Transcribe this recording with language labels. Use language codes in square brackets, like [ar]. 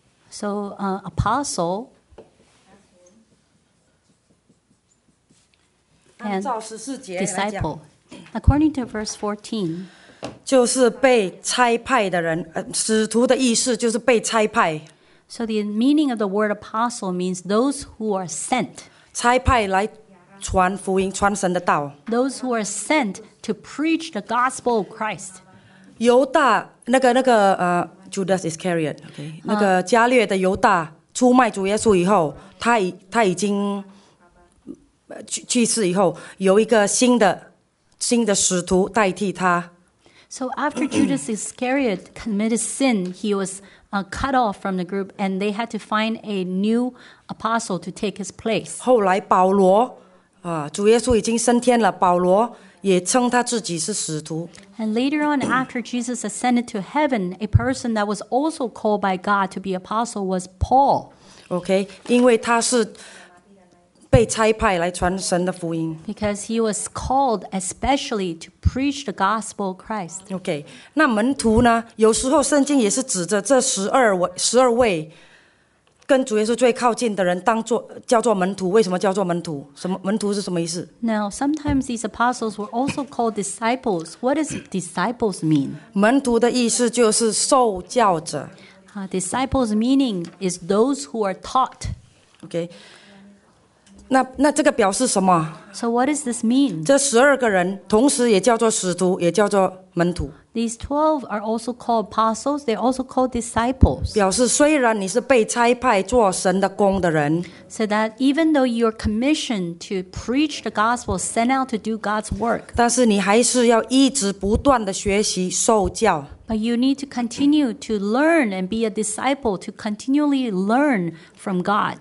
[en] So, apostle. [zh] 按照十四节来讲。 [en] Disciple, according to verse 14. [zh] 就是被差派的人，使徒的意思就是被差派。 [en] So the meaning of the word apostle means those who are sent. [zh] 差派来传福音，传神的道。 [en] Those who are sent to preach the gospel of Christ. [zh] 犹大Judas Iscariot, okay, 那个加略的犹大出卖主耶稣以后，他已经去世以后，有一个新的使徒代替他。 [en] So after Judas Iscariot committed sin, he was cut off from the group, and they had to find a new apostle to take his place. [zh] 后来保罗，主耶稣已经升天了，保罗也称他自己是使徒。 [en] And later on, after Jesus ascended to heaven, a person that was also called by God to be apostle was Paul. [zh] Okay, 因为他是被差派来传神的福音。 [en] Because he was called especially to preach the gospel of Christ. [zh] Okay, 那门徒呢？有时候圣经也是指着这十二位跟主耶稣最靠近的人叫做门徒。为什么叫做门徒？门徒是什么意思？ [en] Now, sometimes these apostles were also called disciples. What does disciples mean? [zh] 门徒的意思就是受教者。 [en] Disciples meaning is those who are taught. [zh] Okay. 那这个表示什么？ [en] So what does this mean? [zh] 这十二个人同时也叫做使徒，也叫做门徒。 [en] These 12 are also called apostles. They're also called disciples. [zh] 表示虽然你是被差派做神的工的人 [en] so that even though you're commissioned to preach the gospel, sent out to do God's work, [zh] 但是你还是要一直不断的学习受教 [en] But you need to continue to learn and be a disciple to continually learn from God.